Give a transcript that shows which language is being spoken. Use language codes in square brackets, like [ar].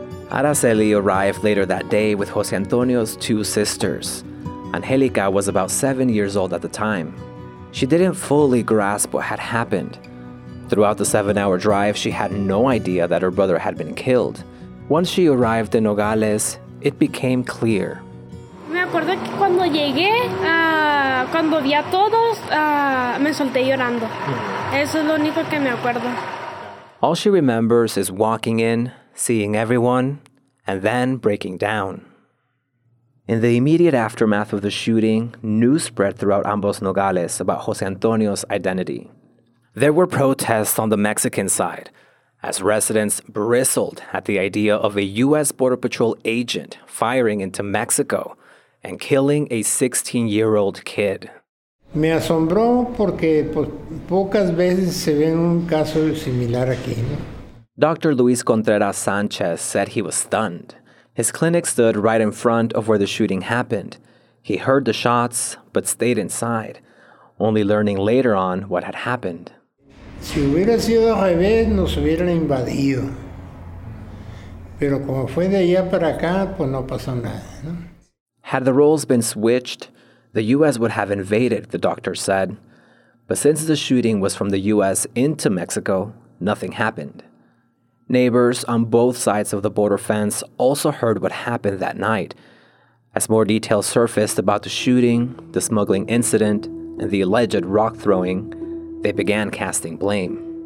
[en] Araceli arrived later that day with Jose Antonio's two sisters. Angelica was about 7 years old at the time. She didn't fully grasp what had happened. Throughout the 7-hour drive, she had no idea that her brother had been killed. Once she arrived in Nogales, it became clear. [es] Me acuerdo que cuando llegué, cuando vi a todos, me solté llorando. Eso es lo único que me acuerdo. [en] All she remembers is walking in, seeing everyone, and then breaking down. In the immediate aftermath of the shooting, news spread throughout ambos Nogales about Jose Antonio's identity. There were protests on the Mexican side, as residents bristled at the idea of a U.S. Border Patrol agent firing into Mexico and killing a 16-year-old kid. [es] Me asombró porque pocas veces se ve un caso similar aquí, ¿no? [en] Dr. Luis Contreras Sanchez said he was stunned. His clinic stood right in front of where the shooting happened. He heard the shots, but stayed inside, only learning later on what had happened. [es] Si hubiera sido al revés, nos hubieran invadido. Pero como fue de allá para acá, pues no pasó nada, ¿no? [en] Had the roles been switched, the U.S. would have invaded, the doctor said. But since the shooting was from the U.S. into Mexico, nothing happened. Neighbors on both sides of the border fence also heard what happened that night. As more details surfaced about the shooting, the smuggling incident, and the alleged rock throwing, they began casting blame.